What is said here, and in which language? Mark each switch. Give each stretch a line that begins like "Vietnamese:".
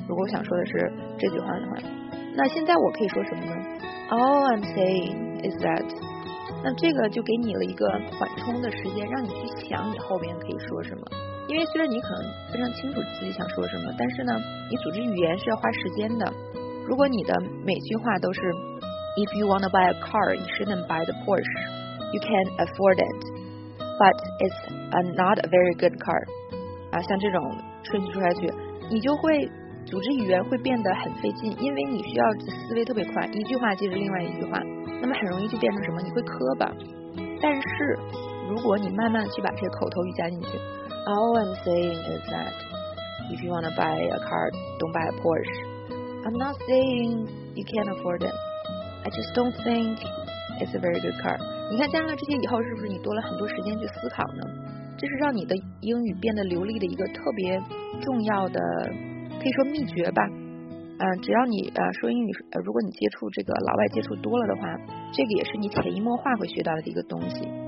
Chinese: 如果我想说的是这句话的话，那现在我可以说什么呢？
English: All I'm saying is that。
Chinese: 那这个就给你了一个缓冲的时间，让你去想你后面可以说什么。因为虽然你可能非常清楚自己想说什么，但是呢你组织语言是要花时间的。如果你的每句话都是
English: If you want to buy a car, you shouldn't buy the Porsche. You can afford it, but it's not a very good car.
Chinese: 啊，像这种顺序说下去，你就会组织语言会变得很费劲，因为你需要思维特别快，一句话接着另外一句话，那么很容易就变成什么，你会磕巴。但是如果你慢慢去把这些口头语加进去，
English: All I'm saying is that if you want to buy a car, don't buy a Porsche. I'm not saying you can't afford it. I just don't think it's a very good car.
Chinese: 你看加上这些以后，是不是你多了很多时间去思考呢？这是让你的英语变得流利的一个特别重要的，可以说秘诀吧。只要你说英语，如果你接触这个老外接触多了的话，这个也是你潜移默化会学到的一个东西。